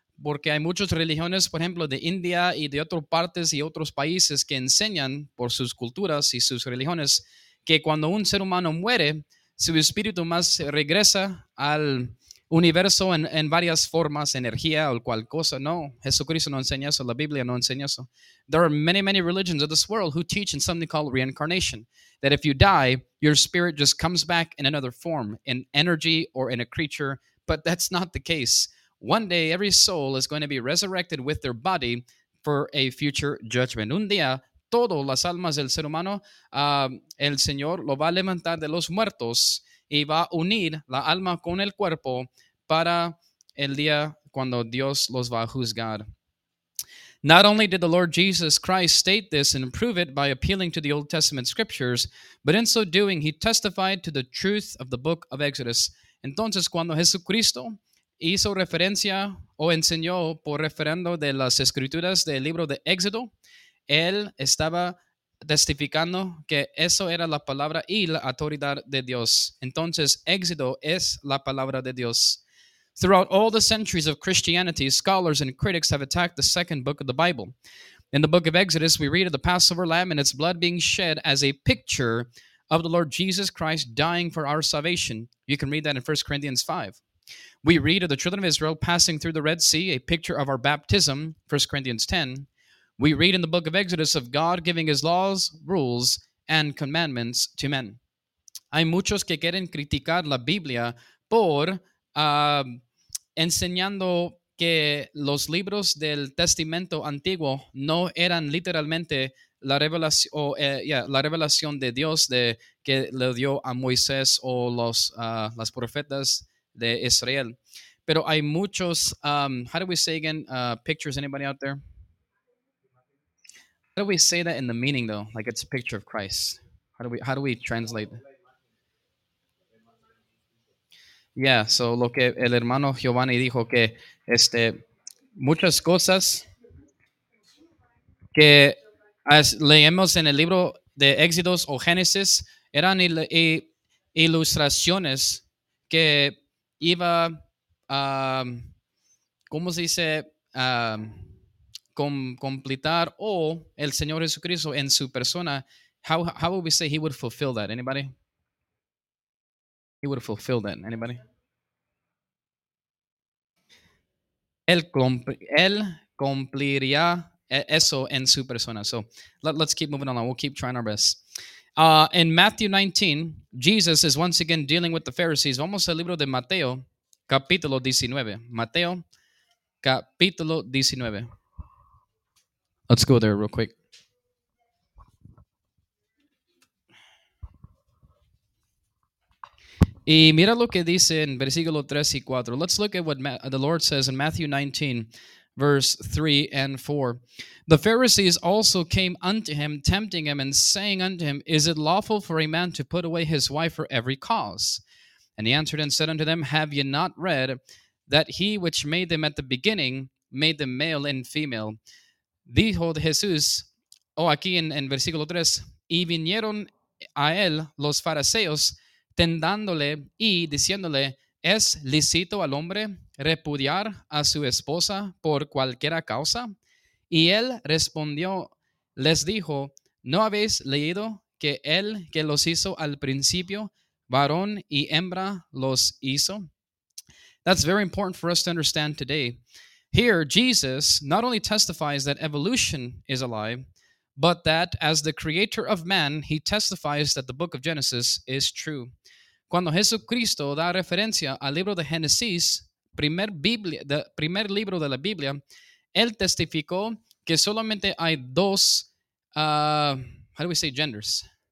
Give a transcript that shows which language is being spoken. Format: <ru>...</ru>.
<es>Porque hay muchas religiones, por ejemplo, de India y de otras partes y otros países que enseñan por sus culturas y sus religiones que cuando un ser humano muere, su espíritu más regresa al universo en varias formas, energía o cual cosa. No, Jesucristo no enseña eso, la Biblia no enseña eso.</es> <en>There are many, many religions of this world who teach in something called reincarnation, that if you die, your spirit just comes back in another form, in energy or in a creature, but that's not the case. One day, every soul is going to be resurrected with their body for a future judgment.</en> <es>Un día, todas las almas del ser humano, el Señor lo va a levantar de los muertos y va a unir la alma con el cuerpo para el día cuando Dios los va a juzgar.</es> <en>Not only did the Lord Jesus Christ state this and prove it by appealing to the Old Testament scriptures, but in so doing, he testified to the truth of the book of Exodus.</en> <es>Entonces, cuando Jesucristo hizo referencia o enseñó por referendo de las escrituras del libro de Éxodo, él estaba testificando que eso era la palabra y la autoridad de Dios. Entonces, Éxodo es la palabra de Dios.</es> <en>Throughout all the centuries of Christianity, scholars and critics have attacked the second book of the Bible. In the book of Exodus, we read of the Passover lamb and its blood being shed as a picture of the Lord Jesus Christ dying for our salvation. You can read that in 1 Corinthians 5. We read of the children of Israel passing through the Red Sea, a picture of our baptism, 1 Corinthians 10. We read in the book of Exodus of God giving his laws, rules, and commandments to men.</en> <es>Hay muchos que quieren criticar la Biblia por enseñando que los libros del Testamento Antiguo no eran literalmente la revelación, la revelación de Dios de que le dio a Moisés o las profetas de Israel. Pero hay muchos,</es> <en>how do we say again, pictures, anybody out there? How do we say that in the meaning though? Like it's a picture of Christ. How do we translate? Yeah, so</en> <es>lo que el hermano Giovanni dijo que muchas cosas que leemos en el libro de Éxodos o Génesis eran ilustraciones que iba, ¿cómo se dice? Completar o el Señor Jesucristo en su persona.</es> <en>How would we say he would fulfill that? Anybody? He would fulfill that. Anybody?</en> <es>Él cumpliría eso en su persona.</es> <en>So let's keep moving along. We'll keep trying our best. In Matthew 19, Jesus is once again dealing with the Pharisees.</en> <es>Vamos al libro de Mateo, capítulo 19. Mateo, capítulo 19.</es> <en>Let's go there real quick.</en> <es>Y mira lo que dice en versículo 3 y 4.</es> <en>Let's look at what the Lord says in Matthew 19, verse 3 and 4. The Pharisees also came unto him, tempting him and saying unto him, is it lawful for a man to put away his wife for every cause? And he answered and said unto them, have ye not read that he which made them at the beginning made them male and female?</en> <es>Dijo de Jesús, aquí en versículo 3, y vinieron a él los fariseos, tendándole y diciéndole, ¿es lícito al hombre repudiar a su esposa por cualquiera causa? Y él respondió, les dijo, ¿no habéis leído que él que los hizo al principio, varón y hembra los hizo?</es> <en>That's very important for us to understand today. Here, Jesus not only testifies that evolution is a lie, but that as the creator of man, he testifies that the book of Genesis is true.</en> <es>Cuando Jesucristo da referencia al libro de Génesis, primer libro de la Biblia, él testificó que solamente hay dos,</es> <en>genders?</en>